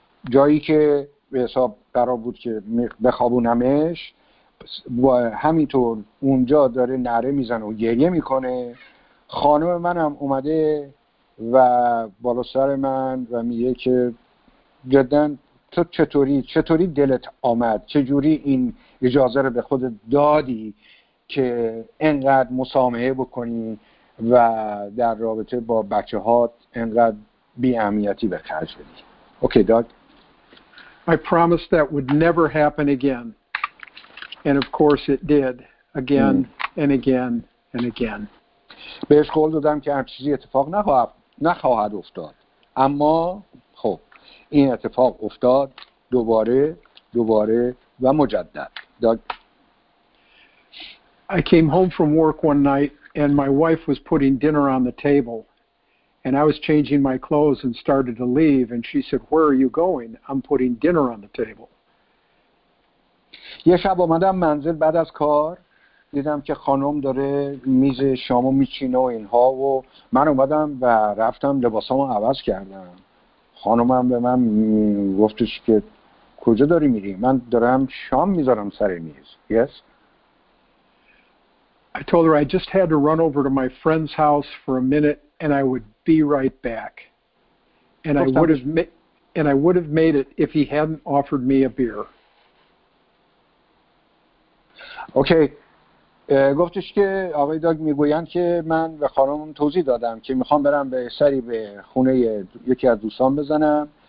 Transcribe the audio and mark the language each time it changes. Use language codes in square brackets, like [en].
[fa] جایی که به حساب قرار بود که بخوابونمش و همینطور اونجا داره نره میزنه و گریه میکنه خانم منم اومده و بالا سر من و میگه که جدن تو چطوری دلت آمد چجوری این اجازه رو به خود دادی که انقدر مسامحه بکنی و در رابطه با بچه هات انقدر بی‌اهمیتی به خرج بدی. اوکی داد [en] I promised that would never happen again and of course it did again and again and again. [fa] بهش قول دادم که هر چیزی اتفاق نخواهد افتاد اما خب این اتفاق افتاد دوباره و مجدد. داد [en] I came home from work one night and my wife was putting dinner on the table and I was changing my clothes and started to leave and she said where are you going I'm putting dinner on the table. [fa] یه شب اومدم منزل بعد از کار دیدم که خانم داره میز شامو میچینه و اینها و من اومدم و رفتم لباسامو عوض کردم خانومم به من گفتش که کجا داری میری؟ من دارم شام میذارم سر میز. [en] Yes. I told her I just had to run over to my friend's house for a minute and I would be right back. And I would have made it if he hadn't offered me a beer. Okay. [fa] گفتش که آقای داگ میگویند که من به خانمم توضیح دادم که میخوام برم به سری به خونه یکی از دوستان بزنم